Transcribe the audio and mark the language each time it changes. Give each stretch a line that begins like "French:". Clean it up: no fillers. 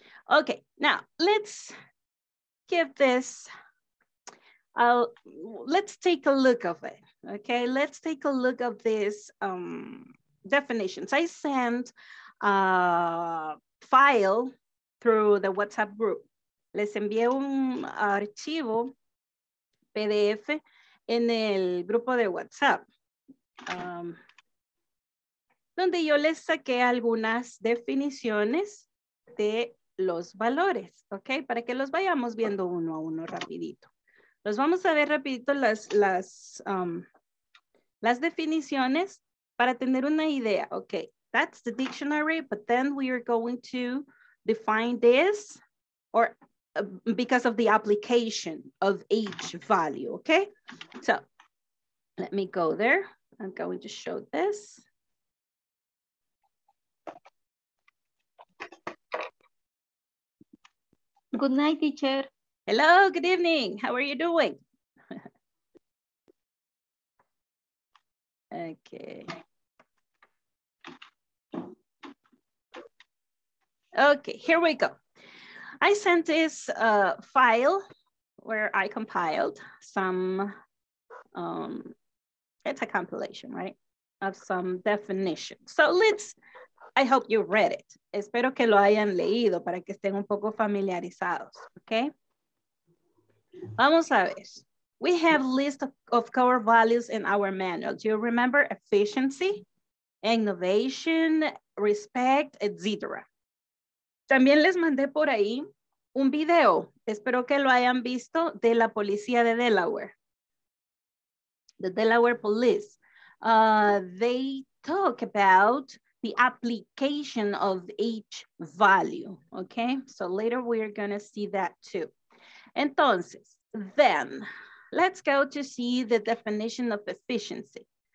English: Okay, now let's give this, let's take a look of it, okay? Let's take a look of this definitions. I sent a file through the WhatsApp group.
Spanish: Les envié un archivo PDF en el grupo de WhatsApp, donde yo les saqué algunas definiciones de los valores, ¿ok? Para que los vayamos viendo uno a uno rapidito. Los vamos a ver rapidito las definiciones para tener una idea, ¿ok?
English: That's the dictionary, but then we are going to define this or because of the application of each value, okay? So let me go there. I'm going to show this. Good night, teacher. Hello, good evening. How are you doing? Okay, here we go. I sent this file where I compiled some, it's a compilation, right? Of some definition. So let's, I hope you read it.
Spanish: Espero que lo hayan leído para que estén un poco familiarizados, okay? Vamos a ver.
English: We have list of core values in our manual. Do you remember efficiency, innovation, respect, etc.?
Spanish: También les mandé por ahí un video, espero que lo hayan visto, de la policía de Delaware.
English: The Delaware Police. They talk about the application of each value, okay? So later we're gonna see that too. Entonces, then, let's go to see the definition of efficiency.